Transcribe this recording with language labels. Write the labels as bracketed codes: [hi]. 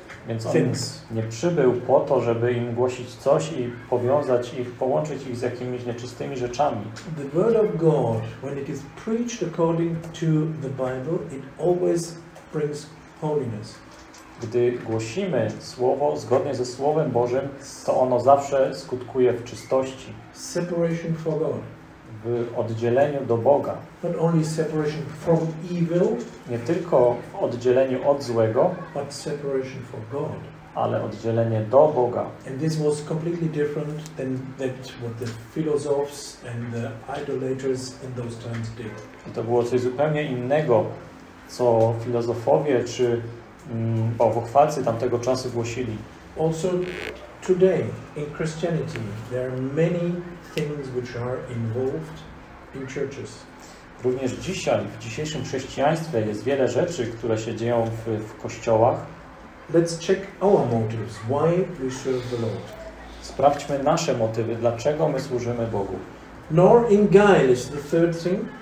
[en] things. [pl] Więc on nie przybył po to, żeby im głosić coś i powiązać ich, połączyć ich z jakimiś nieczystymi rzeczami. [en] The word of God, when it is preached according to the Bible, it always brings holiness. [pl] Gdy głosimy słowo zgodnie ze Słowem Bożym, to ono zawsze skutkuje w czystości. [en] Separation for God. [pl] W oddzieleniu do Boga. [en] Not only separation from evil, [pl] nie tylko w oddzieleniu od złego, [en] but separation for God. [pl] Ale oddzielenie do Boga. [en] And this was completely different than that what the philosophers and the idolaters in those times did. [pl] I to było coś zupełnie innego, co filozofowie czy bałwochwalcy tamtego czasu głosili. [en] Also today in Christianity there are many things which are involved in churches. [pl] Również dzisiaj w dzisiejszym chrześcijaństwie jest wiele rzeczy, które się dzieją w kościołach. [en] Let's check our motives, why we serve the Lord. [pl] Sprawdźmy nasze motywy, dlaczego my służymy Bogu. [en] Nor in guile is the third thing.